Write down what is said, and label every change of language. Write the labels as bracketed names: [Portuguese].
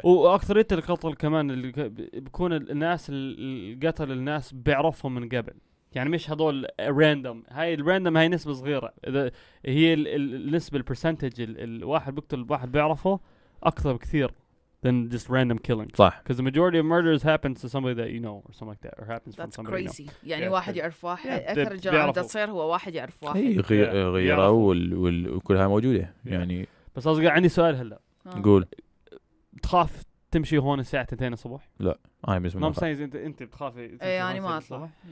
[Arabic] وأكثرية القتل كمان اللي بيكون الناس اللي قتل الناس بيعرفهم من قبل يعني مش هذول راندوم هاي الراندوم هاي نسبة صغيرة إذا هي النسبة البرسنتج الواحد بقتل الواحد بيعرفه أكثر بكثير [English] than just random killings [Arabic] صح [English] because the majority of murders happens to somebody that you know or something like that or happens that's from somebody crazy. You know that's crazy [Arabic] يعني [English] yeah, [Arabic] واحد يعرف واحد أكثر الجرائم اللي تصير هو واحد يعرف واحد هي غيرة وكلها موجودة يعني بس أصدق عندي سؤال هلا قول تخاف تمشي هون الساعة 2 الصبح لا أنا مش ما بسأل أنت بتخاف أي يعني ما أطلع